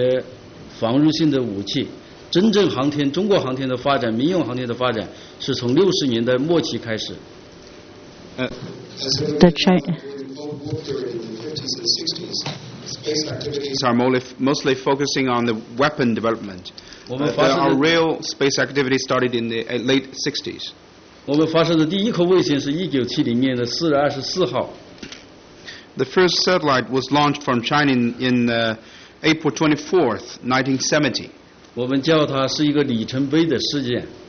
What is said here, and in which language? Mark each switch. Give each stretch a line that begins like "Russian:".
Chinese: 大家知道，在冷战时期，50年代到60年代这段时间，航天发展主要是研制一些防御性的武器。真正航天，中国航天的发展，民用航天的发展，是从60年代末期开始。
English: The 60s are mostly focusing on the weapon development. Our real space activity started in the late 60s.
Chinese: 我们发射的第一颗卫星是1970年的4月24号。
English: The first satellite was launched from China in April 24th, 1970.
Chinese: 我们叫它是一个里程碑的事件。